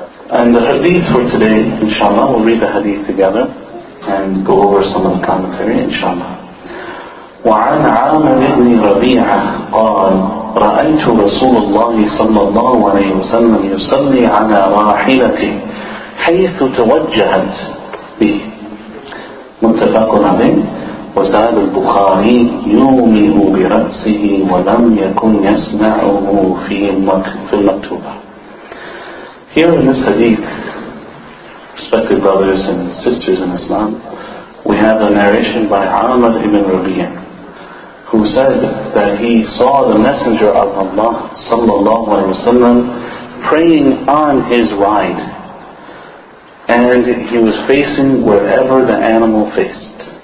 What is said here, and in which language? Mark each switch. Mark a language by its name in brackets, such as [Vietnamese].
[English] And the hadith for today, inshallah, we'll read the hadith together and go over some of the commentary, inshallah. [Arabic] وعن عامر بن ربيعة قال رأيت رسول الله صلى الله عليه وسلم يصلي على راحلته حيث توجهت به. متفق عليه. وزاد البخاري يومه برأسه ولم يكن يسمعه في المكتوبة. [English] Here in this hadith, respected brothers and sisters in Islam, we have a narration by Amr ibn Rabi'ah, who said that he saw the Messenger of Allah sallallahu alayhi wa sallam praying on his ride, and he was facing wherever the animal faced.